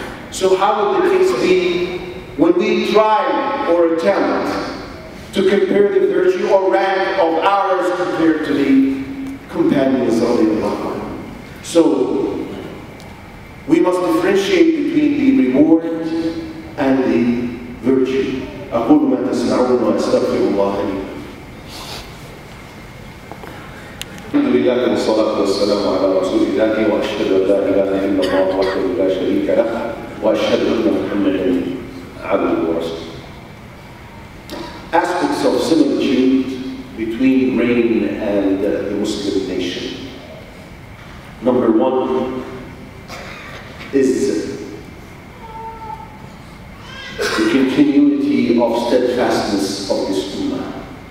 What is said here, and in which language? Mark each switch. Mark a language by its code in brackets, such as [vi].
[en] So how would the case be when we try or attempt to compare the virtue or rank of ours compared to the companions of the Allah? So we must differentiate between the reward and the virtue. [ar] أقول ما تسمعون وأستغفر الله لي. الحمد لله والصلاة والسلام على رسول الله وأشهد أن لا إله إلا الله وحده لا شريك له وأشهد أن محمدا عبده ورسوله. [en] Aspects of similitude between rain and the Muslim nation. Number one is the continuity of steadfastness of this ummah.